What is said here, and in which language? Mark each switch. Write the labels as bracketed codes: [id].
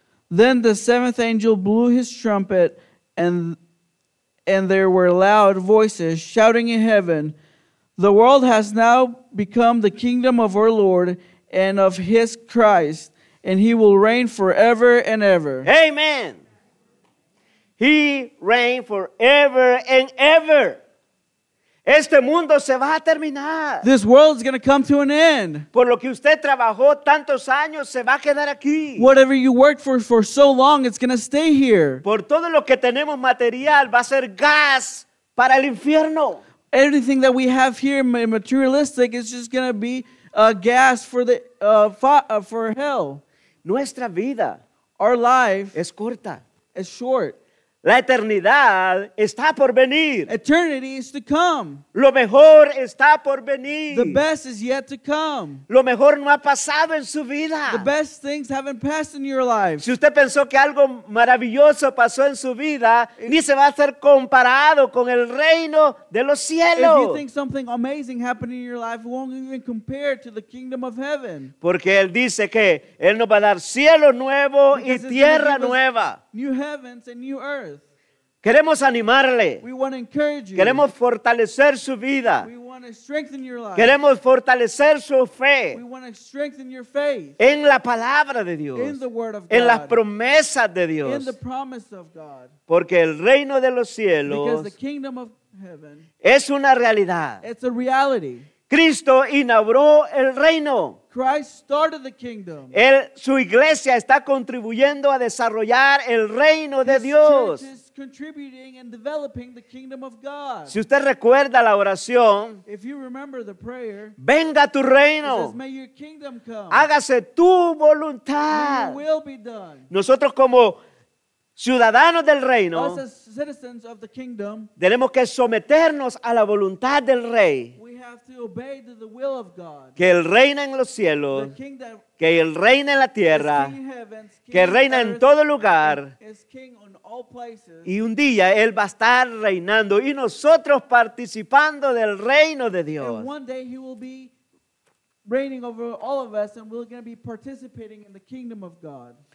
[en] Then the seventh angel blew his trumpet and there were loud voices shouting in heaven, the world has now become the kingdom of our Lord and of his Christ, and he will reign forever and ever. Amen. He reign forever and ever. [es] Este mundo se va a terminar. [en] This world is going to come to an end. [es] Por lo que usted trabajó tantos años, se va a quedar aquí. [en] Whatever you worked for so long, it's going to stay here. [es] Por todo lo que tenemos material, va a ser gas para el infierno. [en] Everything that we have here materialistic is just going to be a gas for hell. [es] Nuestra vida, [en] our life, [es] es corta, [en] is short. [es] La eternidad está por venir. [en] Eternity is to come. [es] Lo mejor está por venir. [en] The best is yet to come. [es] Lo mejor no ha pasado en su vida. [en] The best things haven't passed in your life. [es] Si usted pensó que algo maravilloso pasó en su vida, ni se va a ser comparado con el reino de los cielos. [en] If you think something amazing happened in your life, it won't even compare to the kingdom of heaven. [es] Porque él dice que él nos va a dar cielo nuevo y tierra nueva. [en] New heavens and new earth. [es] Queremos animarle. [en] We want to encourage you. [es] Queremos fortalecer su vida. [en] We want [es] Queremos fortalecer su fe. [en] We want to strengthen your faith. [es] En la palabra de Dios. [en] In the word of God. [es] En las promesas de Dios. [en] In the promise of God. [es] Porque el reino de los cielos. [en] Because the kingdom of heaven. [es] Es una realidad. [en] It's a reality. [es] Cristo inauguró el reino. [en] Christ started the kingdom. [es] Él, su iglesia está contribuyendo a desarrollar el reino [en] His [es] de Dios. [en] Church is contributing and developing the kingdom of God. [es] Si usted recuerda la oración, [en] if you remember the prayer, [es] venga tu reino. [en] It says, may your kingdom come. [es] Hágase tu voluntad. [en] May your will be done. [es] Nosotros como ciudadanos del reino, [en] us as citizens of the kingdom, [es] tenemos que someternos a la voluntad del rey. [en] Have to obey to the will of God. [es] Que el reina en los cielos, [en] the king that, [es] que el reina en la tierra, [en] king heavens, king [es] que reina en todo lugar, [en] is king on all places. [es] Y un día él va a estar reinando y nosotros participando del reino de Dios. [en] And one day he will be reigning over all of us, and we're going to be participating in the kingdom of God.